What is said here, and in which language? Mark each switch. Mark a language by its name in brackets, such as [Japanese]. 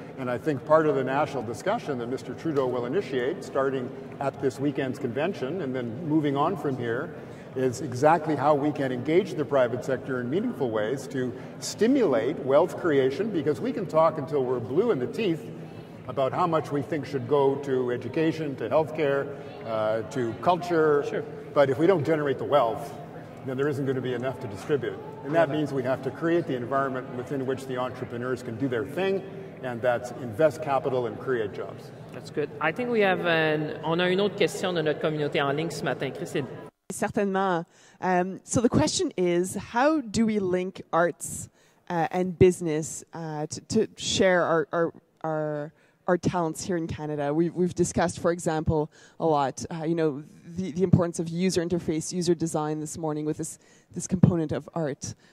[English] And I think part of the national discussion that Mr. Trudeau will initiate, starting at this weekend's convention and then moving on from here, is exactly how we can engage the private sector in meaningful ways to stimulate wealth creation, because we can talk until we're blue in the teeth about how much we think should go to education, to healthcare, to culture. Sure. But if we don't generate the wealth, then there isn't going to be enough to distribute. And that means we have to create the environment within which the entrepreneurs can do their thing, and that's invest capital and create jobs. That's good. I think we have [French] on a une autre question de notre communauté en ligne ce matin. Christine. Certainement. [English] So the question is, how do we link arts and business to share our talents here in Canada? We've discussed, for example, a lot, the importance of user interface, user design this morning with this component of art.